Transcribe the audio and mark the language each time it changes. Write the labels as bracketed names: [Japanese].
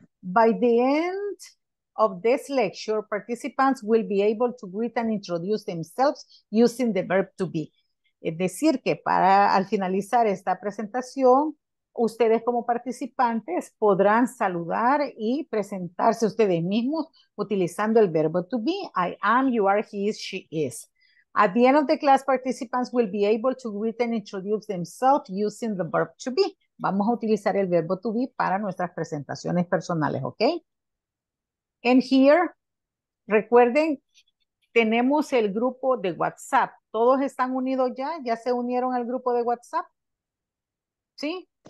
[English] By the end of this lecture, participants will be able to greet and introduce themselves using the verb to be. [Spanish] Es decir, que para al finalizar esta presentación, ustedes como participantes podrán saludar y presentarse ustedes mismos utilizando el verbo to be. [English] I am, you are, he is, she is. At the end of the class, participants will be able to greet and introduce themselves using the verb to be. [Spanish] Vamos a utilizar el verbo to be para nuestras presentaciones personales, ¿ok? [English] And here, [Spanish] recuerden, tenemos el grupo de WhatsApp. ¿Todos están unidos ya? ¿Ya se unieron al grupo de WhatsApp? ¿Sí?